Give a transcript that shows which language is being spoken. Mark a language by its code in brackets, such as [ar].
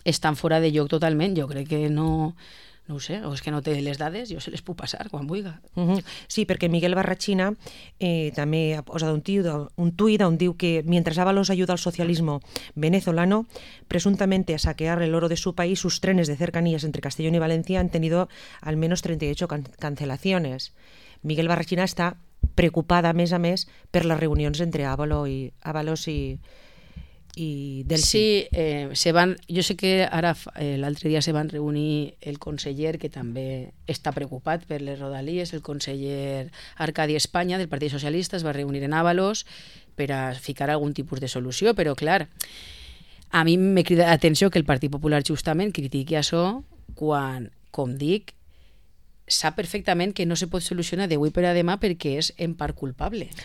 [ca] estan fora de lloc totalment. Jo crec que no... No ho sé, o és que no té les dades, jo se les puc passar quan vulga. Sí, perquè Miguel Barrachina també ha posat un tuit on diu que [es] mientras Ábalos ayuda al socialismo venezolano, presuntamente a saquear el oro de su país, sus trenes de cercanías entre Castellón y Valencia han tenido al menos 38 cancelaciones. [ca] Miguel Barrachina està preocupada mes a mes per les reunions entre Ábalos i Delphi. Sí, jo sé que ara l'altre dia se van reunir el conseller, que també està preocupat per les rodalies, el conseller Arcadi Espanya del Partit Socialista es va reunir en Ábalos per a ficar algun tipus de solució, però clar, a mi me crida l'atenció que el Partit Popular justament critiqui això quan, com dic, sap perfectament que no se pot solucionar d'avui per a demà perquè és en part culpable.